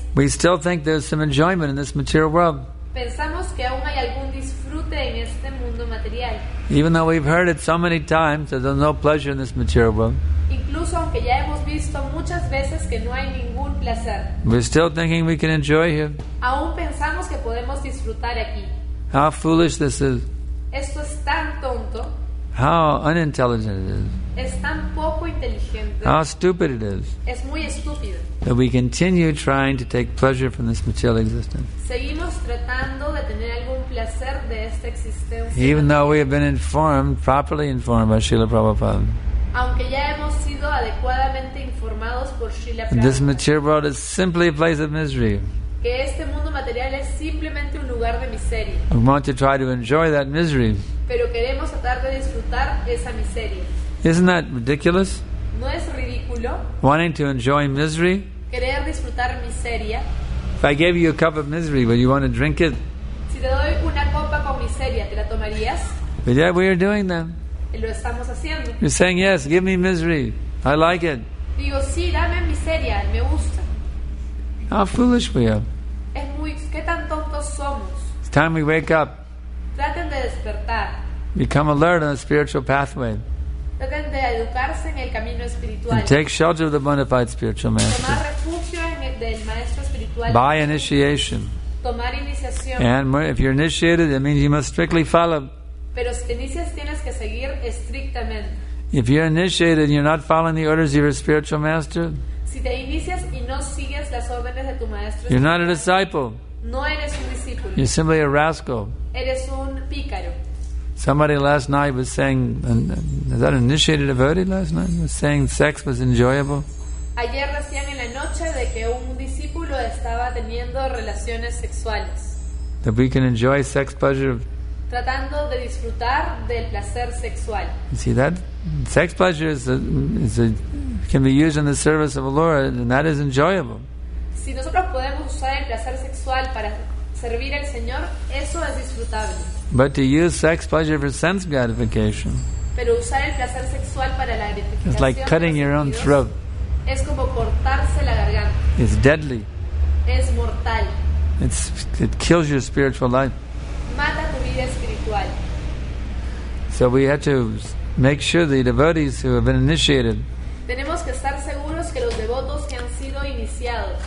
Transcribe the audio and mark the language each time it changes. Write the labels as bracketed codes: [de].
[en] we still think there's some enjoyment in this material world. [es] Pensamos que aún hay algún disfrute en este mundo material. [en] Even though we've heard it so many times that there's no pleasure in this material world. [es] Incluso aunque ya hemos visto muchas veces que no hay ningún placer. [en] We're still thinking we can enjoy here. [es] Aún pensamos que podemos disfrutar aquí. [en] How foolish this is. [es] Esto es tan tonto. [en] How unintelligent it is. [es] Es tan poco inteligente. [en] How stupid it is. [es] Es muy estúpido. [en] That we continue trying to take pleasure from this material existence. [es] Seguimos tratando de tener algún placer de esta existencia. [en] Even though we have been informed, properly informed by Srila Prabhupada. [es] Aunque ya hemos sido adecuadamente informados por Srila Prabhupada. [en] This material world is simply a place of misery. [es] Que este mundo material es simplemente un lugar de miseria. [en] We want to try to enjoy that misery. [es] Pero queremos tratar de disfrutar esa miseria. [en] Isn't that ridiculous? [es] ¿No es ridículo? [en] Wanting to enjoy misery? [es] Querer disfrutar miseria? [en] If I gave you a cup of misery, would you want to drink it? [es] Si te doy una copa con miseria, ¿te la tomarías? [en] But yeah, we are doing that. [es] Lo estamos haciendo. [en] You're saying, yes, give me misery. I like it. [es] Digo, sí, dame miseria, me gusta. [en] How foolish we are. [es] Es muy, ¿qué tan tontos somos? [en] It's time we wake up. [es] Traten de despertar. [en] Become alert on the spiritual pathway. [es] Traten de educarse en el camino espiritual. [en] And take shelter of the bona fide spiritual master. [es] Tomar refugio en el del maestro espiritual. [en] By initiation. [es] Tomar iniciación. [en] And if you're initiated, that means you must strictly follow. [es] Pero si inicias, tienes que seguir estrictamente. [en] If you're initiated and you're not following the orders of your spiritual master, [es] si te inicias y no sigues las órdenes de tu maestro, [en] you're not a disciple. [es] No eres un discípulo. [en] You're simply a rascal. [es] Eres un pícaro. [en] Somebody last night was saying, is that an initiated devotee last night? Was saying sex was enjoyable. [es] Ayer recién en la noche de que un discípulo estaba teniendo relaciones sexuales. [en] That we can enjoy sex pleasure. [es] Tratando de disfrutar del placer sexual. [en] You see that? Sex pleasure can be used in the service of the Lord, and that is enjoyable. [es] Si nosotros podemos usar el placer sexual para servir al Señor, eso es disfrutable. [en] But to use sex pleasure for sense gratification, [es] pero usar el placer sexual para la gratificación, [en] it's like cutting your own throat. [es] Es como cortarse la garganta. [en] It's deadly. [es] Es mortal. [en] It kills your spiritual life. [es] Mata tu vida espiritual. [en] So we have to make sure the devotees who have been initiated, [es] tenemos que estar seguros que los devotos que han sido iniciados,